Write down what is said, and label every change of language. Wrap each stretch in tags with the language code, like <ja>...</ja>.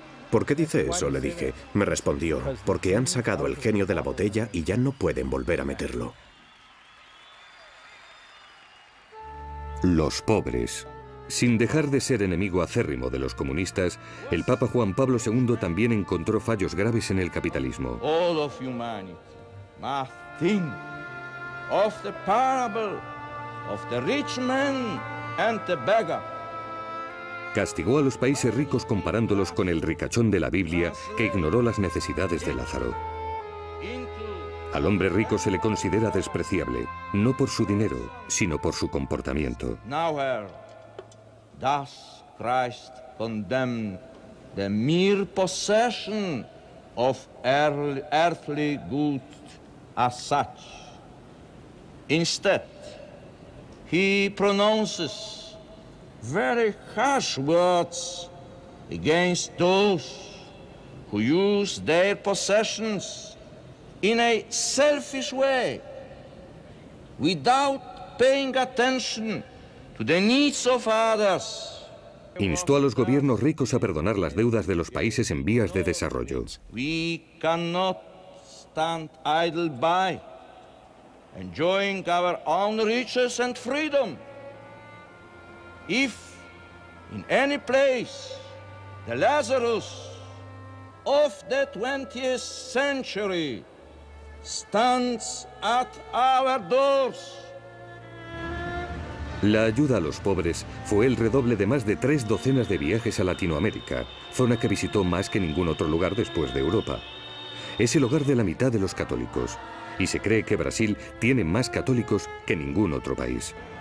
<es>¿Por qué dice eso?, le dije. Me respondió, porque han sacado el genio de la botella y ya no pueden volver a meterlo. Los pobres. Sin dejar de ser enemigo acérrimo de los comunistas, el Papa Juan Pablo II también encontró fallos graves en el capitalismo.</es> <en>All of humanity must think of the parable of the rich man and the beggar.</en> <es>Castigó a los países ricos comparándolos con el ricachón de la Biblia, que ignoró las necesidades de Lázaro. Al hombre rico se le considera despreciable, no por su dinero, sino por su comportamiento.</es> <en>Nowhere does Christ condemn the mere possession of earthly goods as such. Instead, he pronounces very harsh words against those who use their possessions in a selfish way, without paying attention to the needs of others.</en> <es>Instó a los gobiernos ricos a perdonar las deudas de los países en vías de desarrollo.</es> <en>We cannot stand idle by, enjoying our own riches and freedom. If in any place the Lazarus of the 20th century stands at our doors.</en> <es>La ayuda a los pobres fue el redoble de más de 3 docenas de viajes a Latinoamérica, zona que visitó más que ningún otro lugar después de Europa. Es el hogar de la mitad de los católicos, y se cree que Brasil tiene más católicos que ningún otro país.</es>